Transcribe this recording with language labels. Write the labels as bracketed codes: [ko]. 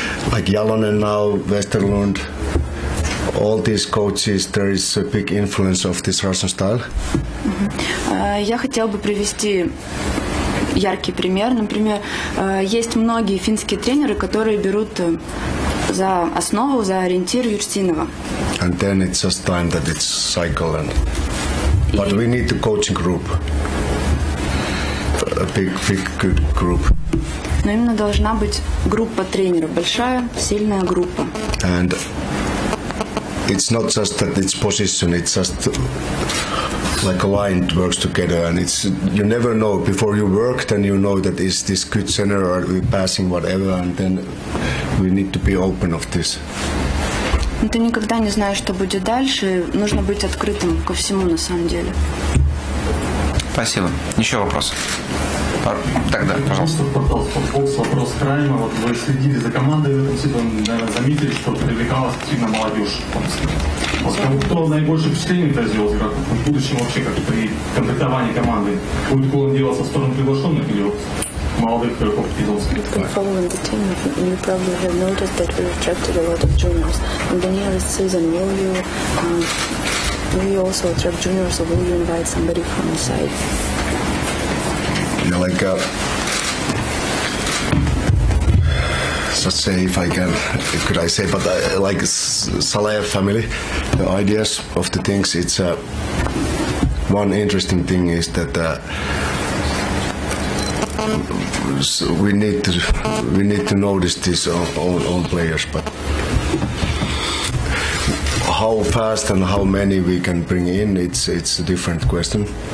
[en] Like Jalonen now, Westerlund, all these coaches, there is a big influence of this Russian style. [ru] Я хотел бы привести яркий пример. Например, есть многие финские тренеры, которые берут за основу, за ориентир Юрсинова. [en] And then it's just time that it's cycle. But we need the coaching group. A big, big, good group. Но именно должна быть группа тренеров, большая, сильная группа. And it's not just that it's position, it's just... Like a line works together, and it's you never know before you work, then you know that is this good center or are we passing whatever, and then we need to be open of this. [ru] Ты никогда не знаешь, что будет дальше. Нужно быть открытым ко всему на самом деле. Спасибо. Еще вопрос. Тогда, пожалуйста. Подполз вопрос к Райму. Вот вы следили за командой, вы, наверное, заметили, что привлекалась активно молодежь. Вот кто наибольшее впечатление произвел, как в будущем вообще, как при комплектовании команды? Будет ли он делаться в сторону приглашенных или вот молодых игроков Питонских? [en] Я following the team, you probably have noticed that we've attracted a lot of juniors. In the nearest season, will you also attract juniors or will you invite somebody from the side? Like, let's say if I can, if could I say, but like Salaev family, the ideas of the things, it's one interesting thing is that we need to notice this on players, but how fast and how many we can bring in, it's a different question.